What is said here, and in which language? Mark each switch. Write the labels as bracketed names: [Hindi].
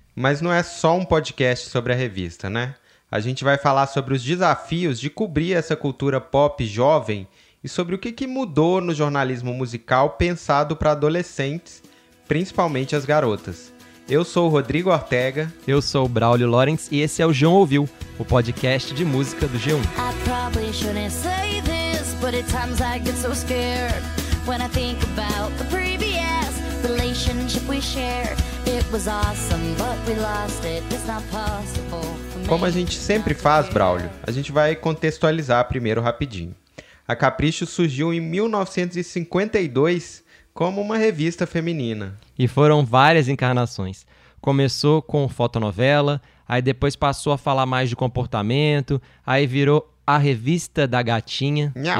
[Portuguese] Mas não é só um podcast sobre a revista, né? A gente vai falar sobre os desafios de cobrir essa cultura pop jovem e sobre o que mudou no jornalismo musical pensado para adolescentes, principalmente as garotas. Eu sou o Rodrigo Ortega. Eu sou o Braulio Lorenz e esse é o João Ouviu, o podcast de música do G1. [English] I probably shouldn't say this, but at times I get so scared when I think about the previous relationship we shared. It was awesome, but we lost it. It's not possible. [Portuguese] Como a gente sempre faz, Braulio, a gente vai contextualizar primeiro rapidinho. A Capricho surgiu em 1952 como uma revista feminina. E foram várias encarnações. Começou com fotonovela, aí depois passou a falar mais de comportamento, aí virou a revista da gatinha. Nham.